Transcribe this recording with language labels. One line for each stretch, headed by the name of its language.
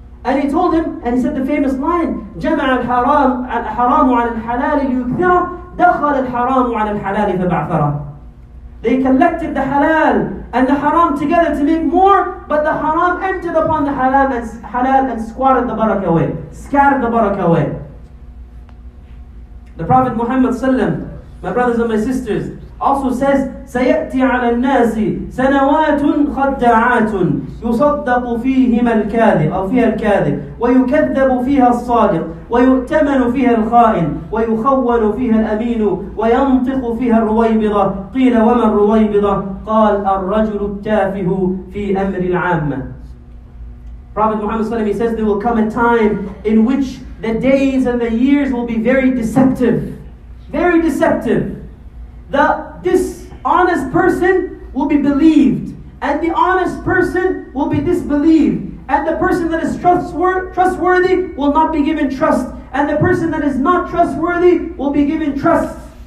English: And he told him, and he said the famous line,
Arabic: جَمَعَ الْحَرَامُ عَلَى الْحَلَالِ لِيُكْثِرَ دَخَلَ الْحَرَامُ عَلَى الْحَلَالِ فَبَعْثَرَ.
English: They collected the halal and the haram together to make more, but the haram entered upon the halal and squatted the barakah away, scattered the barakah away. The Prophet Muhammad sallam, my brothers and my sisters, also says,
Arabic: سَيَأْتِي عَلَى النَّاسِ سَنَوَاتٌ خَدَّعَاتٌ يُصَدَّقُ فِيهِمَ الْكَاذِبُ أَوْ فِيهَا الْكَاذِبُ وَيُكَذَّبُ فِيهَا الصَّادِقُ وَيُؤْتَمَنُ فِيهَا الْخَائِنُ وَيُخَوَّنُ فِيهَا الْأَمِينُ وَيَنْطِقُ فِيهَا الرُّوَيْبِضَةُ قِيلَ وَمَا الرُّوَيْبِضَةُ قَالَ الرَّجُلُ التَّافِهُ فِي أَمْرِ الْعَامَّةِ.
English: Prophet Muhammad
Arabic: صلى الله عليه وسلم,
English: he says, there will come a time in which the days and the years will be very deceptive. Very deceptive. The dishonest person will be believed, and the honest person will be disbelieved, and the person that is trustworthy will not be given trust, and the person that is not trustworthy will be given trust.